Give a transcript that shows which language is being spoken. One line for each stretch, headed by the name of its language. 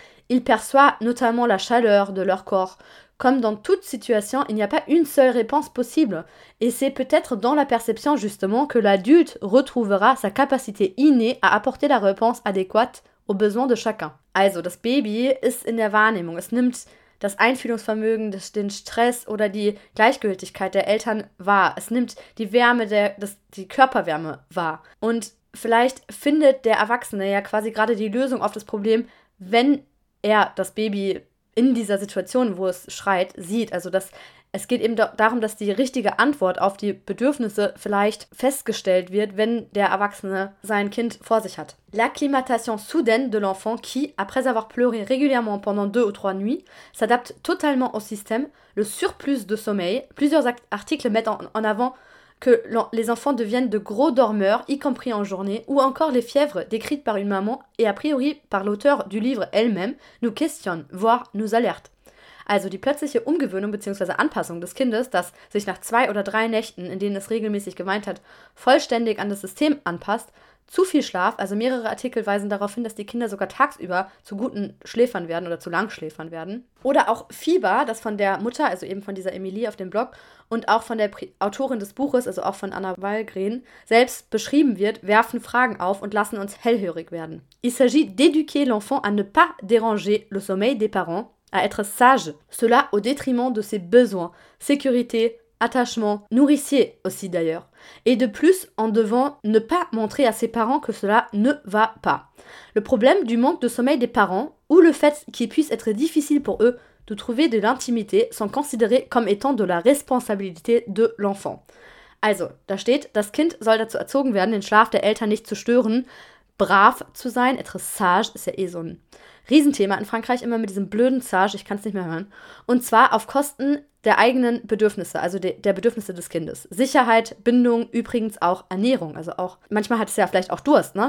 French: Il perçoit notamment la chaleur de leur corps. Comme dans toute situation, il n'y a pas une seule réponse possible. Et c'est peut-être dans la perception, justement, que l'adulte retrouvera sa capacité innée à apporter la réponse adéquate aux besoins de chacun.
German: Also, das Baby ist in der Wahrnehmung. Es nimmt das Einfühlungsvermögen, den Stress oder die Gleichgültigkeit der Eltern wahr. Es nimmt die Wärme, die Körperwärme wahr. Und vielleicht findet der Erwachsene ja quasi gerade die Lösung auf das Problem, wenn er das Baby in dieser Situation, wo es schreit, sieht. Also dass es geht eben darum, dass die richtige Antwort auf die Bedürfnisse vielleicht festgestellt wird, wenn der Erwachsene sein Kind vor sich hat.
French: L'acclimatation soudaine de l'enfant qui, après avoir pleuré régulièrement pendant 2 ou 3 nuits, s'adapte totalement au système, le surplus de sommeil. Plusieurs articles mettent en avant que les enfants deviennent de gros dormeurs, y compris en journée, ou encore les fièvres décrites par une maman et a priori par l'auteur du livre elle-même nous questionnent, voire nous alertent.
German: Also die plötzliche Umgewöhnung bzw. Anpassung des Kindes, das sich nach 2 oder 3 Nächten, in denen es regelmäßig geweint hat, vollständig an das System anpasst, zu viel Schlaf, also mehrere Artikel weisen darauf hin, dass die Kinder sogar tagsüber zu guten Schläfern werden oder zu Langschläfern werden. Oder auch Fieber, das von der Mutter, also eben von dieser Emilie auf dem Blog und auch von der Autorin des Buches, also auch von Anna Wahlgren, selbst beschrieben wird, werfen Fragen auf und lassen uns hellhörig werden.
French: Il s'agit d'éduquer l'enfant à ne pas déranger le sommeil des parents, à être sage, cela au détriment de ses besoins, sécurité, attachement, nourricier aussi d'ailleurs. Et de plus, en devant ne pas montrer à ses parents que cela ne va pas. Le problème du manque de sommeil des parents, ou le fait qu'il puisse être difficile pour eux de trouver de l'intimité, sont considérés comme étant de la responsabilité de l'enfant.
German: Also, da steht, das Kind soll dazu erzogen werden, den Schlaf der Eltern nicht zu stören, brav zu sein,
French: être sage,
German: ist ja eh so ein Riesenthema in Frankreich, immer mit diesem blöden Sage, ich kann es nicht mehr hören. Und zwar auf Kosten der eigenen Bedürfnisse, also der Bedürfnisse des Kindes. Sicherheit, Bindung, übrigens auch Ernährung. Also auch, manchmal hat es ja vielleicht auch Durst, ne?